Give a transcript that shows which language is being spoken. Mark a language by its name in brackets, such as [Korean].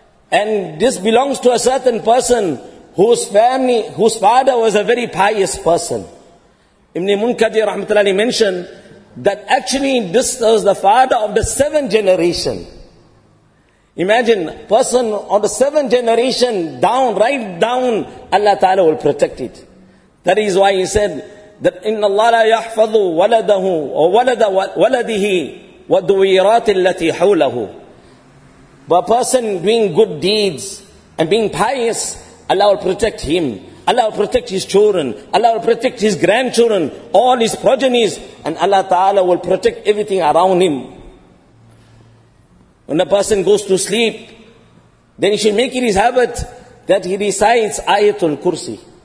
[English] And this belongs to a certain person whose father was a very pious person. Ibn Munkadir rahmatullahi mentioned that actually this was the father of the seventh generation. Imagine, person of the seventh generation down, right down, Allah Ta'ala will protect it. That is why he said, that [Arabic] إِنَّ اللَّهَ لَا يَحْفَظُ وَلَدَهُ وَلَدَ وَلَدِهِ وَالدُّوِيرَاتِ الَّتِي حَوْلَهُ. [English] But a person doing good deeds and being pious, Allah will protect him. Allah will protect his children. Allah will protect his grandchildren, all his progenies, and Allah Ta'ala will protect everything around him. When a person goes to sleep, then he should make it his habit that he recites Ayatul Kursi.